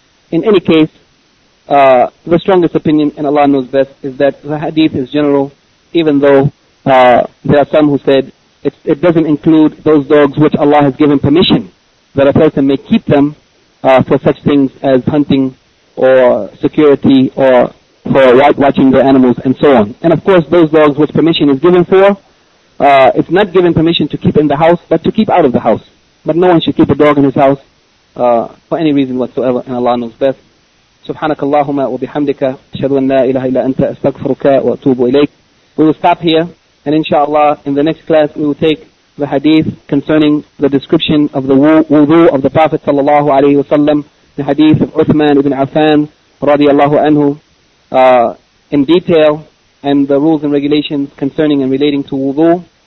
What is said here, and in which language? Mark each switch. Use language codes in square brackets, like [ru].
[en] In any case, the strongest opinion, and Allah knows best, is that the hadith is general, even though there are some who said it doesn't include those dogs which Allah has given permission that a person may keep them for such things as hunting or security or for watching the animals and so on. And of course, those dogs which permission is given for, it's not given permission to keep in the house, but to keep out of the house. But no one should keep a dog in his house for any reason whatsoever, and Allah knows best. [ar] سبحانك اللهم وبحمدك أشهد أن لا إله إلا أنت أستغفرك وأتوب إليك. [en] We will stop here, and inshallah, in the next class, we will take the hadith concerning the description of the wudu of the Prophet [ar] صلى الله عليه وسلم, [en] the hadith of Uthman ibn Affan [ar] رضي الله عنه, [en] in detail, and the rules and regulations concerning and relating to wudu.